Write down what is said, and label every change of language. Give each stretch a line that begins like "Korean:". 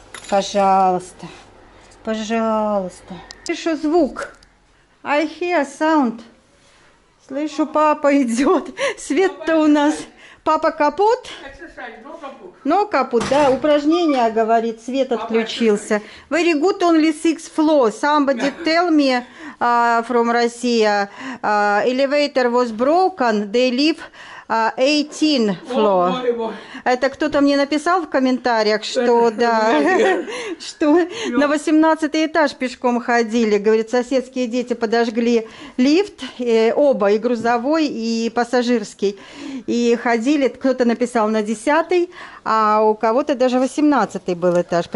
Russian: Пожалуйста, пожалуйста. Пишу звук.
English: I hear sound.
Russian: Слышу, папа идет. Свет-то у нас. Папа капут? Но капут, да, упражнение говорит, свет отключился.
English: Very good, only six floor. Somebody tell me from Russia. Elevator was broken, they live 18 floor.
Russian: Это кто-то мне написал в комментариях, что да, что на 18 этаж пешком ходили. Говорит, соседские дети подожгли лифт, оба, и грузовой, и пассажирский. И ходили, кто-то написал на 10, а у кого-то даже 18 был этаж.